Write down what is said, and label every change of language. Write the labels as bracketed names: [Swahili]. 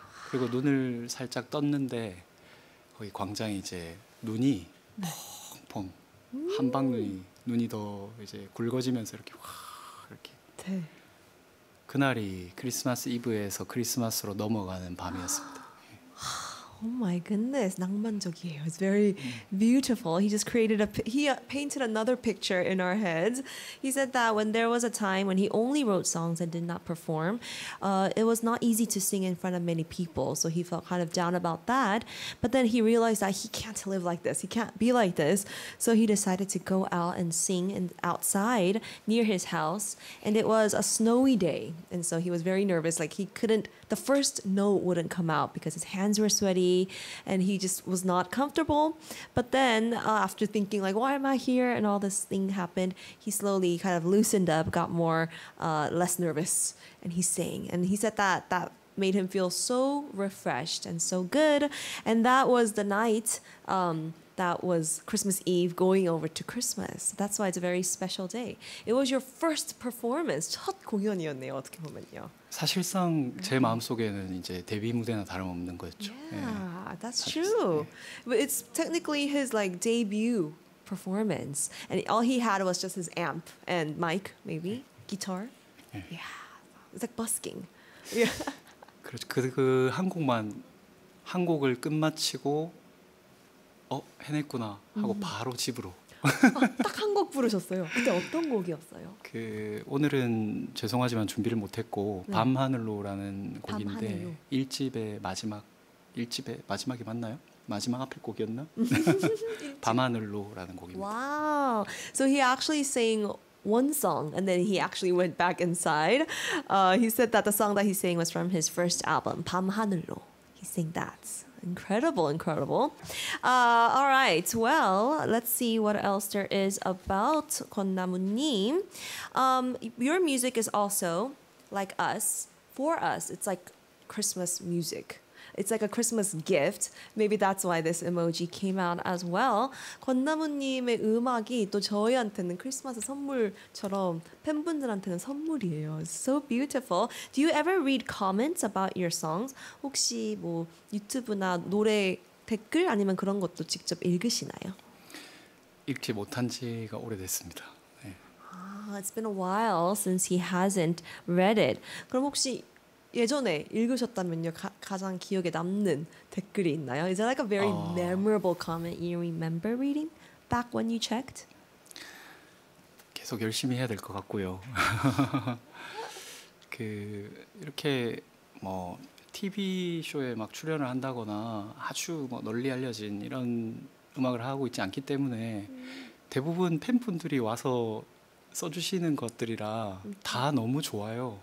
[Korean] 그리고 눈을 살짝 떴는데 거기 광장에 이제 눈이 펑펑 한방눈이 눈이 더 이제 굵어지면서 이렇게 확 이렇게 네. 그날이 크리스마스 이브에서 크리스마스로 넘어가는 밤이었습니다. [English] Oh my goodness, [Korean] 낭만적이에요. [English] It's very beautiful. He just created painted another picture in our heads. He said that when there was a time when he only wrote songs and did not perform, it was not easy to sing in front of many people. So he felt kind of down about that. But then he realized that he can't live like this. He can't be like this. So he decided to go out and sing outside near his house. And it was a snowy day. And so he was very nervous. Like he couldn't, the first note wouldn't come out because his hands were sweaty. And he just was not comfortable. But then after thinking like, why am I here? And all this thing happened, he slowly kind of loosened up, got more less nervous, and he sang. And he said that made him feel so refreshed and so good. And that was the night that was Christmas Eve going over to Christmas. That's why it's a very special day. It was your first performance. [Korean] 첫 공연이었네요, 어떻게 보면요. 사실상 제 마음속에는 이제 데뷔 무대나 다름없는 거였죠. [English] Yeah, that's true. But it's technically his like debut performance. And all he had was just his amp and mic, maybe, guitar. Yeah, it's like busking. Yeah. [Korean] 그렇죠. 그 한 곡을 끝마치고 해냈구나 하고 바로 집으로. 딱 한 곡 부르셨어요. 그때 어떤 곡이었어요? 그 오늘은 죄송하지만 준비를 못했고 네. 밤하늘로라는 곡인데 1집의 마지막이 맞나요? 마지막 앞에 곡이었나? 밤하늘로라는 곡입니다. [English] 와우. Wow. So he actually sang one song and then he actually went back inside. He said that the song that he sang was from his first album, 밤하늘로. He sang that. Incredible, incredible. All right, well, let's see what else there is about 권나무님. Your music is also, like us, for us, it's like Christmas music. It's like a Christmas gift. Maybe that's why this emoji came out as well. [Korean] 권나무님의 음악이 또 저희한테는 크리스마스 선물처럼 팬분들한테는 선물이에요. [English] It's so beautiful. Do you ever read comments about your songs? [Korean] 혹시 뭐 유튜브나 노래 댓글 아니면 그런 것도 직접 읽으시나요? 읽지 못한 지가 오래됐습니다. 네. [English] It's been a while since he hasn't read it. [Korean] 그럼 혹시 예전에 읽으셨다면요 가장 기억에 남는 댓글이 있나요? [English] Is it like a very memorable comment you remember reading back when you checked? [Korean] 계속 열심히 해야 될 것 같고요. 그 이렇게 뭐 TV 쇼에 막 출연을 한다거나 아주 뭐 널리 알려진 이런 음악을 하고 있지 않기 때문에 대부분 팬분들이 와서 써주시는 것들이라 다 너무 좋아요.